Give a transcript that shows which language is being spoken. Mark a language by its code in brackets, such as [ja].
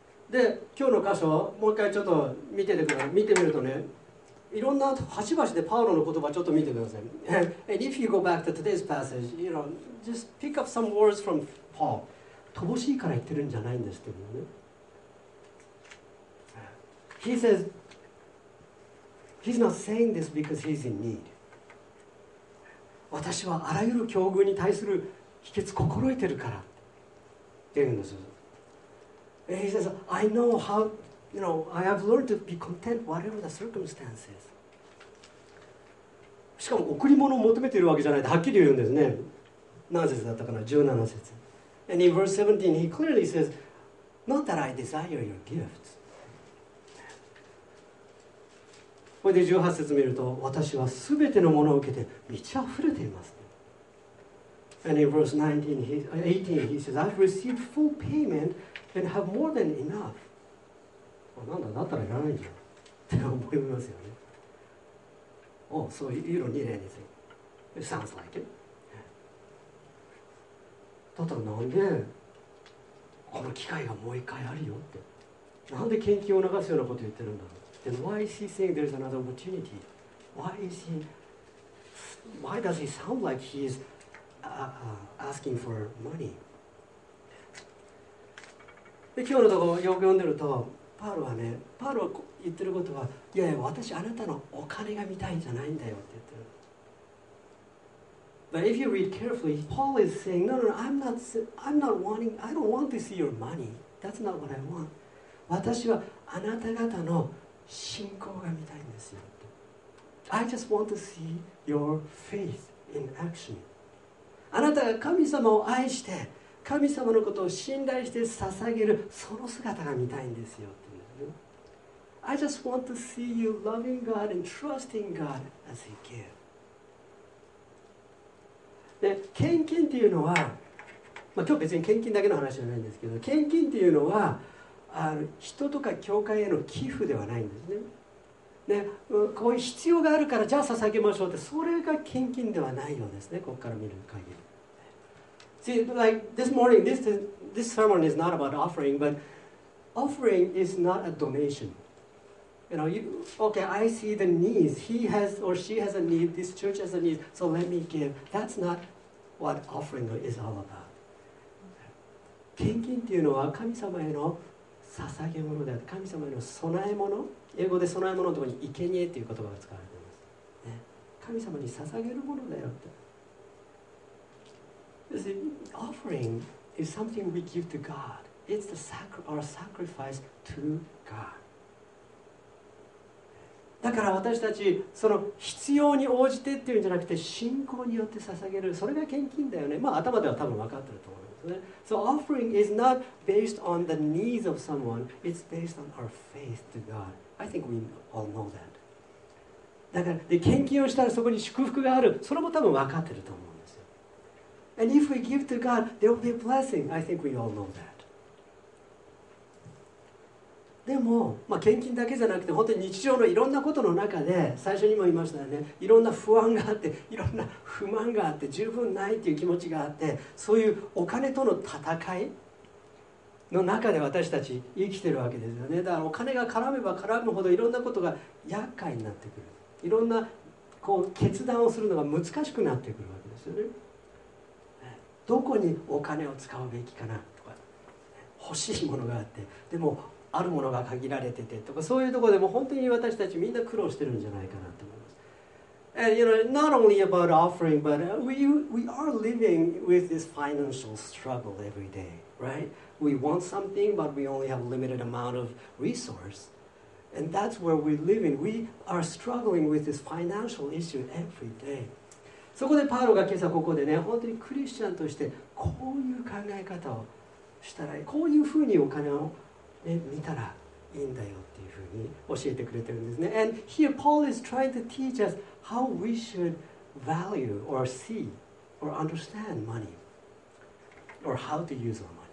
[ja] で、今日の箇所をもう一回ちょっと見ててください。見てみるとね、いろんな端々でパウロの言葉ちょっと見てください。 [en] And if you go back to today's passage, you know, just pick up some words from Paul. [ja] 乏しいから言ってるんじゃないんですけどね。 [en] He says, he's not saying this because he's in need. [ja] 私はあらゆる境遇に対する秘訣を心得てるからって言うんですよ。 [en] He says, I know how, you know, I have learned to be content whatever the circumstances. [ja] しかも贈り物を求めているわけじゃないってはっきり言うんですね。何節だったかな ?17 節。 [en] And in verse 17, he clearly says, not that I desire your gifts. [ja] これで18節見ると、私はすべてのものを受けて満ち溢れています。 [en] And in verse 18, he says, I've received full payment and have more than enough. [ja] なんだ、だったらいらないじゃん。って思いますよね。 [en] Oh, so you don't need anything. It sounds like it. [ja] だったらなんで、この機会がもう一回あるよって。なんで献金を流すようなこと言ってるんだろう。 [en] Then why is he saying there's another opportunity? Why does he sound like he is asking for money? [ja] で今日のところよく読んでると、パールはね、パールは言ってることは、いやいや、私あなたのお金が見たいんじゃないんだよって言ってる。 [en] But if you read carefully, Paul is saying, no, no, no, I'm not wanting, I don't want to see your money. That's not what I want. [ja] 私はあなた方の信仰が見たいんですよ。 [en] I just want to see your faith in action. [ja] あなたが神様を愛して、神様のことを信頼して捧げるその姿が見たいんですよ。 [en] I just want to see you loving God and trusting God as He gives. [ja] で、献金っていうのは、まあ、今日別に献金だけの話じゃないんですけど、献金っていうのは人とか教会への寄付ではないんですね。で、こういう必要があるからじゃあ捧げましょうって、それが献金ではないようですね、ここから見る限り。 [en] See, like this morning, this sermon is not about offering, but offering is not a donation. You know, you, okay, I see the needs. He has or she has a need. This church has a need. So let me give. That's not what offering is all about. [ja] 献金っていうのは神様への捧げ物であって、神様への供え物、英語で供え物のところに生贄っていう言葉が使われています、ね。神様に捧げるものだよって。 [en] You see, offering is something we give to God. It's the our sacrifice to God. [ja] だから私たちその必要に応じてっていうんじゃなくて信仰によって捧げる、それが献金だよね。まあ頭では多分分かってると思いますね。 [en] So offering is not based on the needs of someone, it's based on our faith to God. I think we all know that. [ja] だからで献金をしたらそこに祝福がある、それも多分分かってると思うんですよ。 [en] And if we give to God, there will be a blessing. I think we all know that. [ja] でも、まあ、献金だけじゃなくて本当に日常のいろんなことの中で、最初にも言いましたよね、いろんな不安があって、いろんな不満があって、十分ないっていう気持ちがあって、そういうお金との戦いの中で私たち生きてるわけですよね。だからお金が絡めば絡むほどいろんなことが厄介になってくる、いろんなこう決断をするのが難しくなってくるわけですよね。どこにお金を使うべきかなとか、欲しいものがあって、でもあるものが限られててとか、そういうところでも本当に私たちみんな苦労してるんじゃないかなと思います。 [en] And you know, not only about offering, but we are living with this financial struggle every day, right? We want something, but we only have a limited amount of resource. And that's where we're living. We are struggling with this financial issue every day. [ja] そこでパウロが今朝ここでね、本当にクリスチャンとしてこういう考え方をしたらいい、こういうふうにお金をね、見たらいいんだよっていうふうに教えてくれてるんですね。 [en] And here Paul is trying to teach us how we should value or see or understand money or how to use our money.、